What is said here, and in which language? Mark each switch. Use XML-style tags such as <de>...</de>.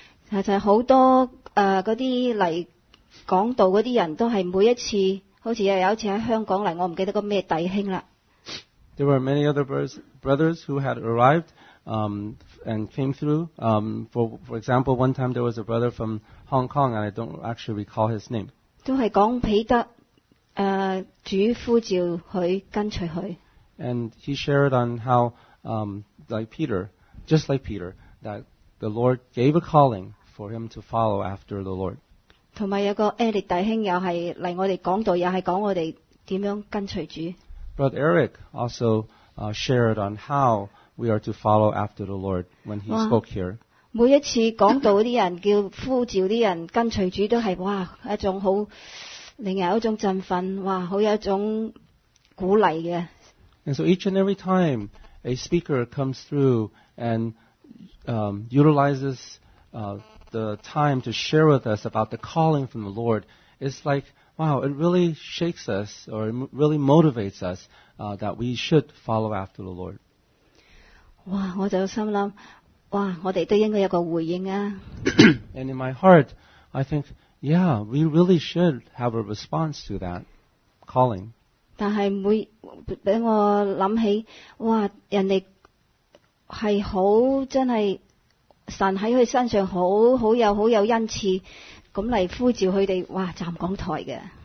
<yue>就是好多嗰啲嚟讲道嗰啲人都系每一次，好似又有一次喺香港嚟，我唔记得个咩弟兄啦。</yue> <en>There were many other brothers who had arrived, and came through. For example, one time there was a brother from Hong Kong, and I don't actually recall his name.</en> <yue>都系讲彼得主呼召佢跟随佢。</yue> <en>And he shared on how, like Peter, just like Peter, that. The Lord gave a calling for him to follow after the Lord.</en> <yue>同埋有个 Eric 弟兄又系嚟我哋讲道，又系讲我哋点样跟随主。</yue> <en>Brother Eric also shared on how we are to follow after the Lord when he spoke here.</en> <yue>每一次讲道啲人叫呼召啲人跟随主，都系哇一种好令人有一种振奋，哇好有一种鼓励嘅。</yue> <en>And so each and every time a speaker comes through and utilizes the time to share with us about the calling from the Lord, it's like, wow, it really shakes us or it really motivates us that we should follow after the Lord.</en> <yue>哇，我就心想，哇，我们都应该有个回应啊。</yue> <en>And in my heart, I think, yeah, we really should have a response to that calling.</en> <yue>但是每给我想起，哇，人家是好真系神喺佢身上好好有好有恩赐，咁嚟呼召佢哋，哇站讲台嘅。</yue>